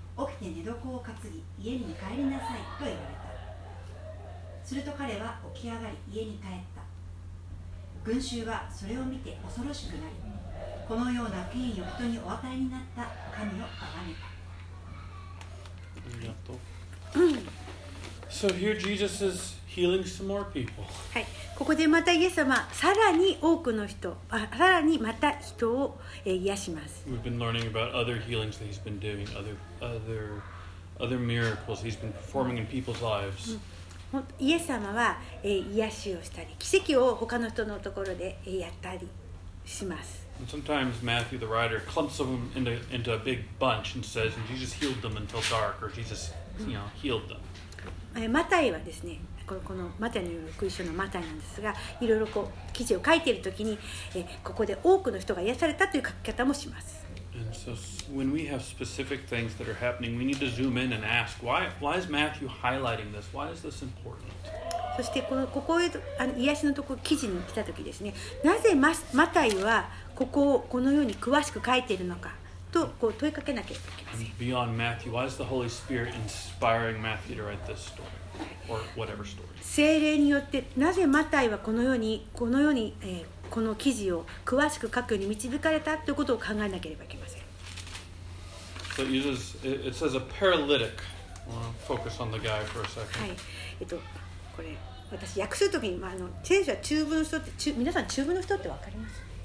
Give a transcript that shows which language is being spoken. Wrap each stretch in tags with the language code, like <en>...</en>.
<ja>起きて寝床を担ぎ家に帰りなさいと言われた。すると彼は起き上がり家に帰った。群衆はそれを見て恐ろしくなり、このような権威を人にお与えになった神を崇めた。</ja> <en>So here Jesus is healing some more people.</en> <ja>はい、ここでまたイエス様、さらに多くの人、さらにまた人を癒します。</ja> <en>We've been learning about other healings that he's been doing, other miracles he's been performing in people's lives.</en> <ja>イエス様は癒しをしたり、奇跡を他の人のところでやったりします。</ja> <en>And sometimes Matthew the writer clumps them into a big bunch and says, and Jesus healed them until dark, or Jesus, you know, healed them.</en> <ja>マタイはですね、このマタイによる福音書のマタイなんですが、いろいろこう記事を書いているときに、ここで多くの人が癒されたという書き方もします。</ja> <en>And so when we have specific things that are happening, we need to zoom in and ask, why is Matthew highlighting this? Why is this important?</en> <ja>そしてこのここへ癒しのところ記事に来たときですね、なぜマタイはここをこのように詳しく書いているのか。とこう問いかけなければいけません。</ja> <en>Beyond Matthew, why is the Holy Spirit inspiring Matthew to write this story or whatever story?</en> <ja>聖霊によってなぜマタイはこのように、この記事を詳しく書くように導かれたということを考えなければいけません。</ja> <en>So it says a paralytic. Focus on the guy for a second.</en> <ja>はい、これ私訳するときに、まあ、聖書は中部の人って皆さん中部の人ってわかります？</ja>